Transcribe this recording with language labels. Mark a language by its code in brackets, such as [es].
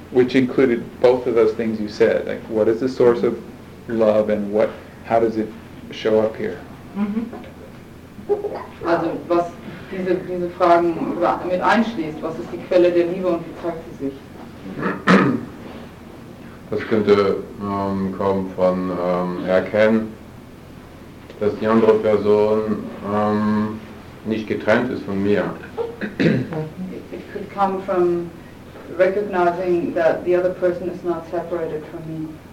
[en] Which included both of those things you said. Like, what is the source of love and what? How does it show up here? Mm-hmm. [de] Also, was diese Fragen mit einschließt, was ist die Quelle der Liebe und wie zeigt sie sich? Das könnte kommen von erkennen, dass die andere Person nicht getrennt ist von mir. [en] It could come from recognizing that the other person is not separated from me.